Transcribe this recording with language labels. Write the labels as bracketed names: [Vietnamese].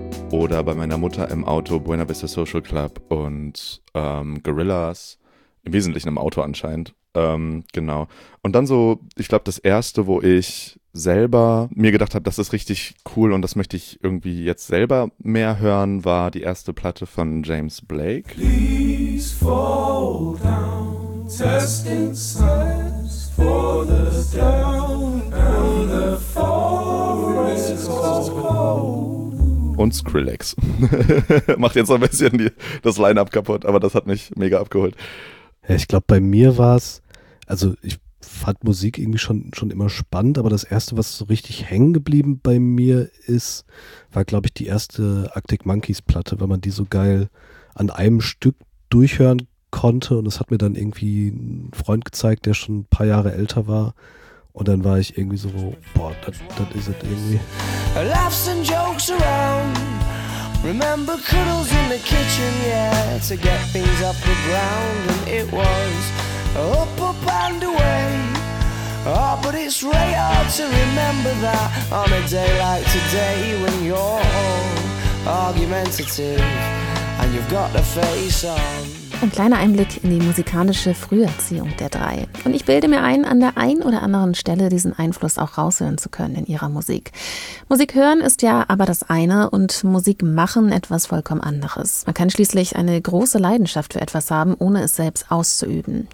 [German] Oder bei meiner Mutter im Auto Buena Vista Social Club und Gorillaz, im Wesentlichen im Auto anscheinend, genau. Und dann so, ich glaube, das Erste, wo ich selber mir gedacht habe, das ist richtig cool und das möchte ich irgendwie jetzt selber mehr hören, war die erste Platte von James Blake. [English] Please fall down, test insights for the down and the forest is cold. [German] Und Skrillex. Macht jetzt ein bisschen das Line-Up kaputt, aber das hat mich mega abgeholt. Ja, ich glaube, bei mir war es, also ich fand Musik irgendwie schon immer spannend, aber das Erste, was so richtig hängen geblieben bei mir ist, war, glaube ich, die erste Arctic Monkeys-Platte, weil man die so geil an einem Stück durchhören konnte. Und das hat mir dann irgendwie ein Freund gezeigt, der schon ein paar Jahre älter war. Und dann war ich irgendwie so, boah, das ist es irgendwie. [English] Laughs and jokes around. Remember cuddles in the kitchen, yeah, to get things off the ground. And it was up, up and away. Oh, but it's really hard to remember that on a day like today, when you're all argumentative and you've got a face on. [German] Ein kleiner Einblick in die musikalische Früherziehung der drei. Und ich bilde mir ein, an der einen oder anderen Stelle diesen Einfluss auch raushören zu können in ihrer Musik. Musik hören ist ja aber das eine und Musik machen etwas vollkommen anderes. Man kann schließlich eine große Leidenschaft für etwas haben, ohne es selbst auszuüben.